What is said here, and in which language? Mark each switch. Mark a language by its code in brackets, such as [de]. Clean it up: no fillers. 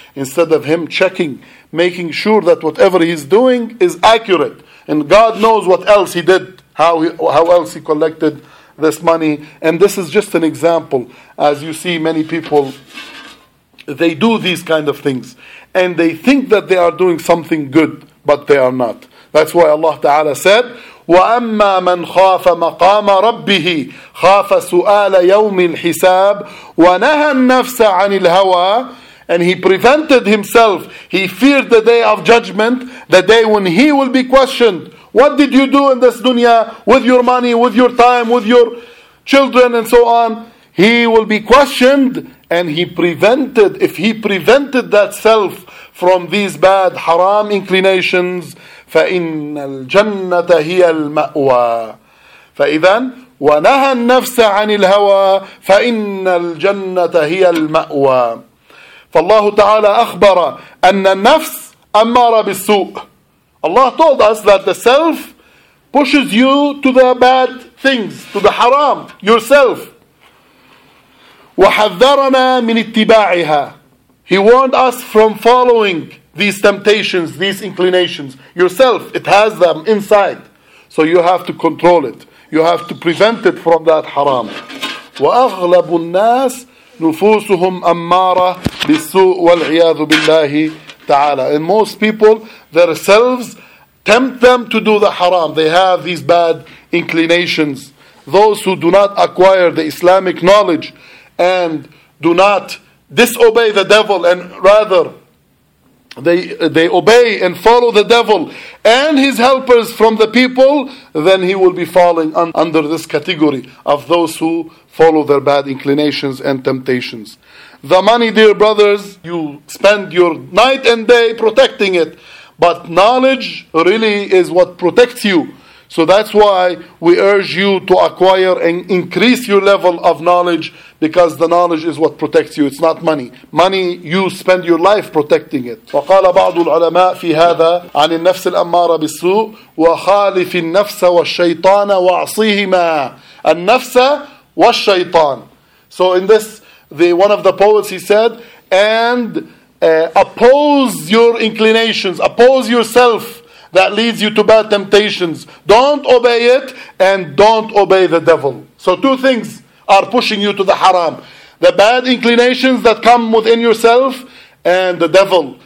[en] Instead of him checking, making sure that whatever he's doing is accurate. And God knows what else he did, how else he collected this money. And this is just an example. As you see, many people, they do these kind of things. And they think that they are doing something good, but they are not. That's why Allah Ta'ala said, [ar] وَأَمَّا مَنْ خَافَ مَقَامَ رَبِّهِ خَافَ سُؤَالَ يَوْمِ الْحِسَابِ وَنَهَى النَّفْسَ عَنِ الْهَوَى. [en] And he prevented himself. He feared the day of judgment, the day when he will be questioned. What did you do in this dunya with your money, with your time, with your children and so on? He will be questioned, and if he prevented that self from these bad haram inclinations, [ar] فَإِنَّ الْجَنَّةَ هِيَ الْمَأْوَى. فَإِذَنْ وَنَهَى النَّفْسَ عَنِ الْهَوَى فَإِنَّ الْجَنَّةَ هِيَ الْمَأْوَى. فالله تعالى أخبر أن النفس أمارة بالسوء. [en] Allah told us that the self pushes you to the bad things, to the haram, yourself. [ar] وحذرنا من اتباعها. [en] He warned us from following these temptations, these inclinations. Yourself, it has them inside. So you have to control it. You have to prevent it from that haram. [ar] وأغلب الناس نفوسهم أمارة بالسوء والعياذ بالله تعالى. [en] And most people, their selves tempt them to do the haram. They have these bad inclinations. Those who do not acquire the Islamic knowledge and do not disobey the devil, and rather they obey and follow the devil and his helpers from the people, then he will be falling under this category of those who follow their bad inclinations and temptations. The money, dear brothers, you spend your night and day protecting it, but knowledge really is what protects you. So that's why we urge you to acquire and increase your level of knowledge, because the knowledge is what protects you. It's not money. Money, you spend your life protecting it. [ar] وقال بعض العلماء في هذا عن النفس الأمارة بالسوء وخالف النفس والشيطان وعصيهما النفس والشيطان. [en] So in this, one of the poets, he said, and oppose your inclinations, oppose yourself. That leads you to bad temptations. Don't obey it, and don't obey the devil. So two things are pushing you to the haram. The bad inclinations that come within yourself, and the devil.